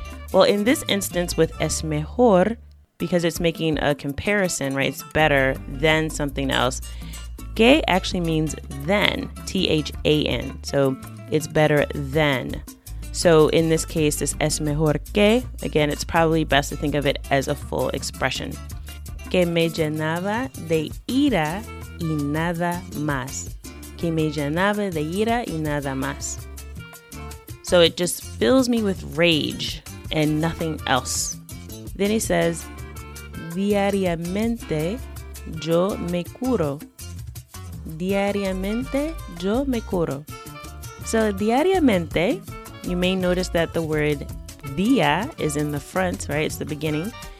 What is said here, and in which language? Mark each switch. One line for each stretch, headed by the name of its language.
English: Well, in this instance with es mejor, because it's making a comparison, right? It's better than something else. Que actually means than, T-H-A-N. So it's better than. So in this case, this es mejor que, again, it's probably best to think of it as a full expression.
Spanish: Que me llenaba de ira y nada más. Que me llenaba de ira y nada más.
English: So it just fills me with rage and nothing else. Then he says,
Spanish: diariamente yo me curo. Diariamente yo me curo.
English: So diariamente, you may notice that the word dia is in the front, right? It's the beginning.